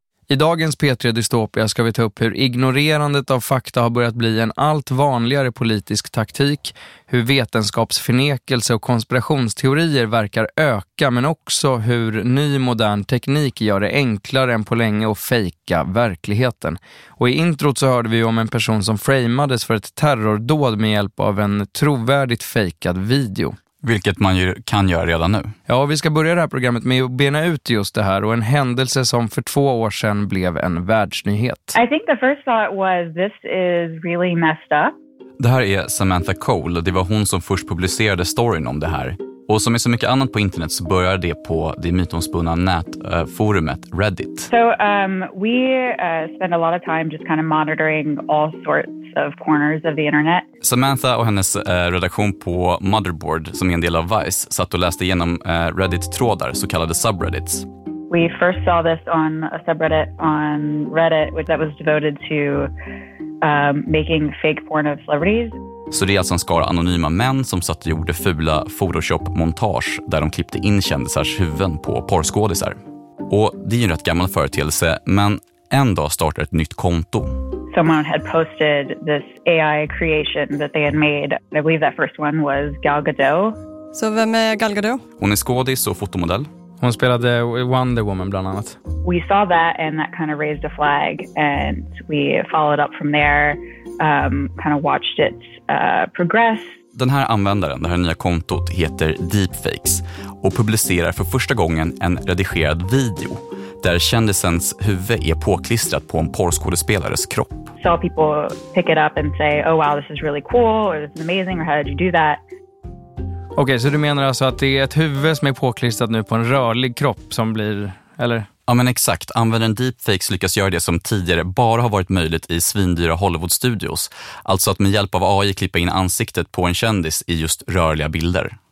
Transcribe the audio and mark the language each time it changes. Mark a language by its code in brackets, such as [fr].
[sv] I dagens P3 Dystopia ska vi ta upp hur ignorerandet av fakta har börjat bli en allt vanligare politisk taktik, hur vetenskapsförnekelse och konspirationsteorier verkar öka, men också hur ny modern teknik gör det enklare än på länge att fejka verkligheten. Och i introt så hörde vi om en person som framades för ett terrordåd med hjälp av en trovärdigt fejkad video. Vilket man ju kan göra redan nu. Ja, vi ska börja det här programmet med att bena ut just det här och en händelse som för 2 år sedan blev en världsnyhet. [en] I think the first thought was this is really messed up. [sv] Det här är Samantha Cole och det var hon som först publicerade storyn om det här. Och som är så mycket annat på internet så börjar det på det mytomspunna nätforumet Reddit. [en] So we spend a lot of time just kind of monitoring all sorts of corners of the internet. [sv] Samantha och hennes redaktion på Motherboard, som är en del av Vice, satt och läste igenom Reddit-trådar, så kallade subreddits. [en] We first saw this on a subreddit on Reddit which that was devoted to making fake porn of celebrities. [sv] Så det är alltså en skara anonyma män som satt och gjorde fula Photoshop-montage där de klippte in kändisars huvuden på porrskådisar. Och det är ju en rätt gammal företeelse, men en dag startar ett nytt konto. [en] Someone had posted this AI creation that they had made. I believe that first one was Gal Gadot. [sv] Så vem är Gal Gadot? Hon är skådis och fotomodell. Hon spelade Wonder Woman bland annat. [en] We saw that and that kind of raised a flag and we followed up from there. Kind of watched it progress. [sv] Den här användaren, det här nya kontot, heter Deepfakes och publicerar för första gången en redigerad video där kändisens huvud är påklistrat på en porrskådespelares kropp. [en] Saw people pick it up and say, oh wow, this is really cool, or this is amazing, or how did you do that? [sv] Okej, så du menar alltså att det är ett huvud som är påklistrat nu på en rörlig kropp som blir, eller? Ja, men exakt. Användaren Deepfakes lyckas göra det som tidigare bara har varit möjligt i svindyra Hollywood-studios. Alltså att med hjälp av AI klippa in ansiktet på en kändis i just rörliga bilder.